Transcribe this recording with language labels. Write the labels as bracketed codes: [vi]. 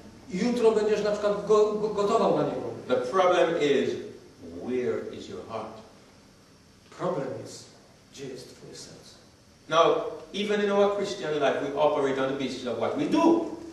[pl] Jutro będziesz na przykład gotował na niego. [en] The problem is, where is your heart? [pl] Problem jest, gdzie jest twoje serce? [en] Now, even in our Christian life, we operate on the basis of what we do.